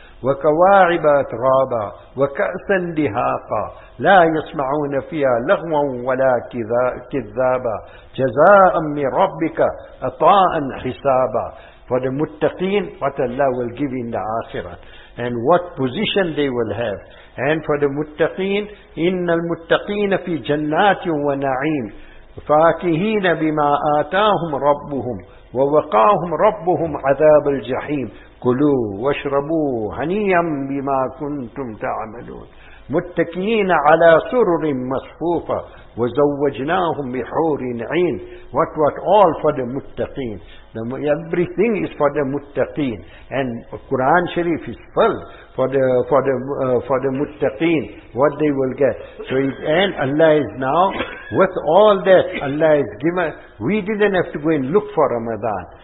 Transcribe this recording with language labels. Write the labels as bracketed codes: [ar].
[ar] وكواعب ترابا وكأسا دهاقا لا يسمعون فيها لغوا ولا كذابا جزاء من ربك عطاء حسابا. [en] For the muttaqeen, what Allah will give in the akhirah and what position they will have. And for the muttaqeen, [ar] إِنَّ الْمُتَّقِينَ فِي جَنَّاتٍ وَنَعِيمٍ فَاكِهِينَ بِمَا آتَاهُمْ رَبُّهُمْ وَوَقَاهُمْ رَبُّهُمْ عَذَابَ الْجَحِيمِ كُلُوا وَاشْرَبُوا هَنِيًّا بِمَا كُنْتُمْ تَعْمَلُونَ مُتَّكِينَ عَلَى سُرُرٍ مَصْفُوفَةٍ وَزَوَّجْنَاهُمْ بِحُورٍ عِينٍ. [en] What all for the muttaqeen. Everything is for the muttaqeen. And Quran Sharif is full for the muttaqeen, what they will get. So and Allah is now, with all that Allah has given, we didn't have to go and look for Ramadan.